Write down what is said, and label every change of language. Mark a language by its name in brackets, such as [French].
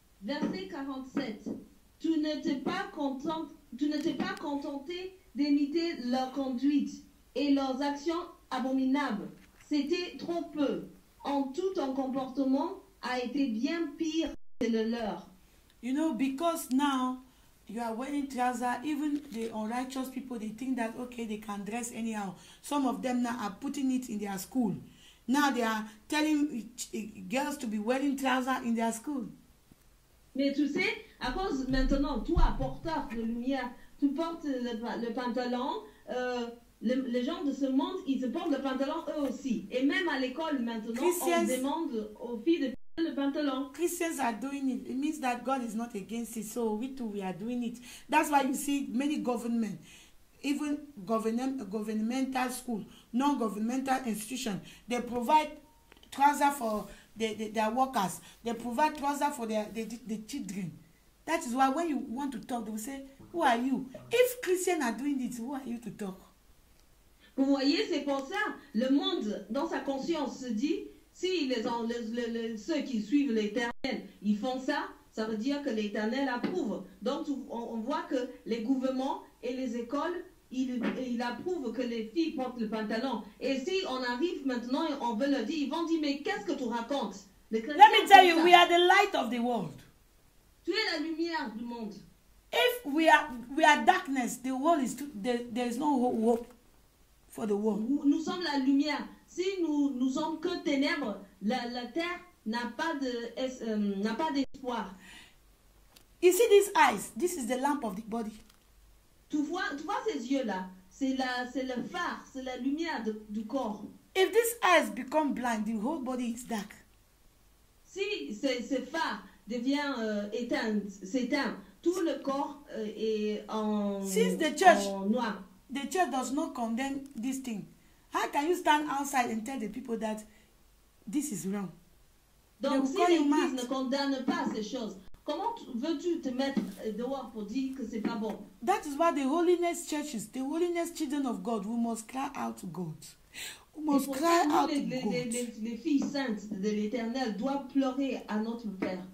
[French] Verset 47. Tu ne t'es pas contenté d'imiter leur conduite et leurs actions abominable. C'était trop peu. En tout, ton comportement a été bien pire que le leur. [English] You know, because now, you are wearing trousers, even the unrighteous people, they think that, okay, they can dress anyhow. Some of them now are putting it in their school. Now they are telling girls to be wearing trousers in their school. [French] Mais tu sais, à cause maintenant, toi, porteur de lumière, tu portes le pantalon, les gens de ce monde, ils portent le pantalon eux aussi. Et même à l'école maintenant, Christians, on demande aux filles de porter le pantalon. [English] Christians are doing it. It means that God is not against it. So we too, we are doing it. That's why you see many governments, even governmental schools, non-governmental institutions, they provide trousers for their workers. They provide trousers for their children. That is why when you want to talk, they will say, who are you? If Christians are doing this, who are you to talk? [French] Vous voyez, c'est pour ça, le monde, dans sa conscience, se dit, si ceux qui suivent l'Éternel, ils font ça, ça veut dire que l'Éternel approuve. Donc, on voit que les gouvernements et les écoles, ils approuvent que les filles portent le pantalon. Et si on arrive maintenant et on veut leur dire, ils vont dire, mais qu'est-ce que tu racontes? [English] Let me tell you, we are the light of the world. [French] Tu es la lumière du monde. [English] If we are darkness, the world is too, there is no hope for the world. [French] Nous sommes la lumière. Si nous sommes que ténèbres, la terre n'a pas d'espoir. [English] You see these eyes? This is the lamp of the body. [French] Tu vois ces yeux là? C'est le phare, c'est la lumière du corps. [English] If these eyes become blind, the whole body is dark. [French] Si ce phare devient éteint, s'éteint. Tout le corps en noir. [English] The church does not condemn this thing. How can you stand outside and tell the people that this is wrong? [French] Donc si l'Église ne condamne pas ces choses, comment veux-tu te mettre dehors pour dire que c'est pas bon? [English] That is why the holiness churches, the holiness children of God, we must cry out to God. We must cry out to God. [French] Les filles saintes de l'Éternel doivent pleurer à notre Père.